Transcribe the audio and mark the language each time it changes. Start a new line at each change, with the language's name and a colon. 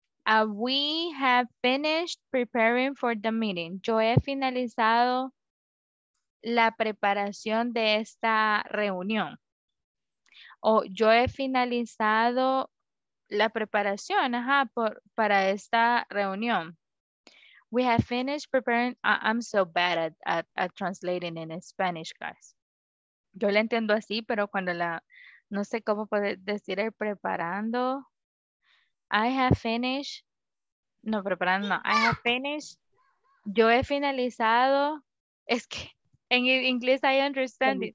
English: We have finished preparing for the meeting.
Spanish: Yo he finalizado la preparación de esta reunión. O yo he finalizado la preparación, ajá, para esta reunión.
English: We have finished preparing. I'm so bad at translating in Spanish, guys.
Spanish: Yo la entiendo así, pero cuando la, no sé cómo poder decir el preparando.
English: I have finished.
Spanish: No, preparando, no.
English: I have finished.
Spanish: Yo he finalizado. Es que en inglés
English: I understand it.